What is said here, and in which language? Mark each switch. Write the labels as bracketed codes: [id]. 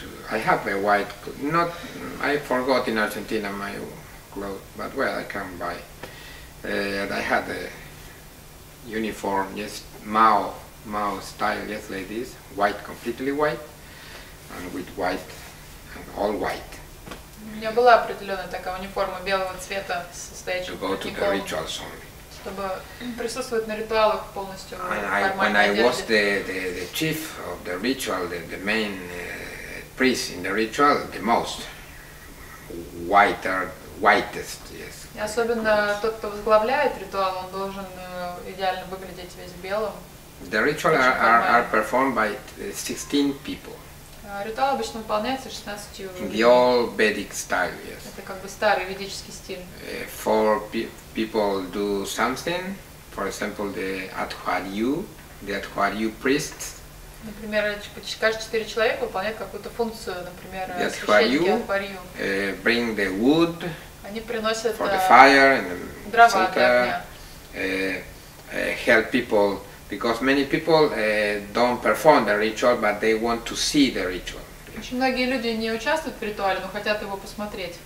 [en] I have a white, not, I forgot in Argentina my clothes, but well, I can buy. I had a uniform, yes, Mao style, yes, like this, white, completely white, and with white, and all white. [ru] У меня была определенная такая униформа белого цвета, состоящая [en] to go to the rituals only. [ru] Чтобы присутствовать на ритуалах полностью в формальной одежде. [en] When I was the chief of the ritual, the main priest in the ritual, the most whitest, yes. [ru] Особенно тот, кто возглавляет ритуал, он должен идеально выглядеть весь в белом. [en] The ritual are performed by 16 people. [ru] Ритуал обычно выполняется 16 людьми. [en] The old Vedic style, yes. [ru] Это как бы старый ведический стиль. [en] Four people do something, for example, the Adhwaryu priest. [ru] Например, каждые 4 человека выполняют какую-то функцию, например, священники Адхварью. [en] Bring the wood. [ru] Они приносят [en] for the fire and [ru] дрова для огня. [en] Help people, because many people don't perform the ritual, but they want to see the ritual. [ru] Очень многие люди не участвуют в ритуале, но хотят его посмотреть.